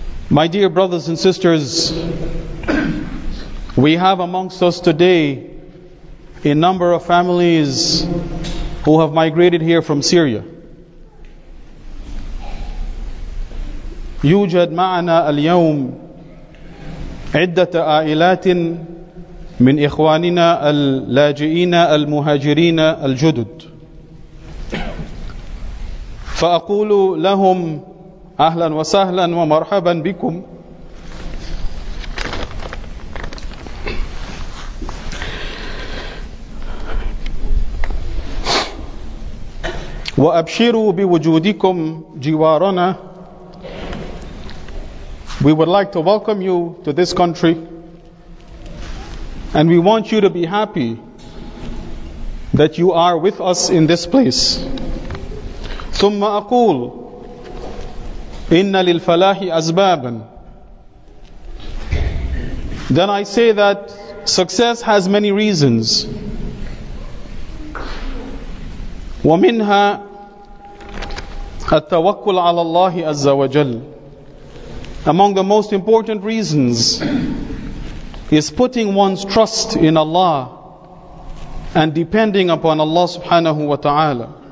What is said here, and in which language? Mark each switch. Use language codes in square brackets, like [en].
[en] My dear brothers and sisters, we have amongst us today a number of families who have migrated here from Syria. [ar] يوجد معنا اليوم عدة عائلات من إخواننا اللاجئين المهاجرين الجدد. فأقول لهم أهلا وسهلا ومرحبا بكم. وأبشروا بوجودكم جوارنا. [en] We would like to welcome you to this country, and we want you to be happy that you are with us in this place. [ar] ثم أقول إِنَّ لِلْفَلَاحِ أَزْبَابًا. [en] Then I say that success has many reasons. [ar] وَمِنْهَا التَّوَكُّلْ عَلَى اللَّهِ أَزَّ وَجَلْ. [en] Among the most important reasons is putting one's trust in Allah and depending upon Allah subhanahu wa ta'ala.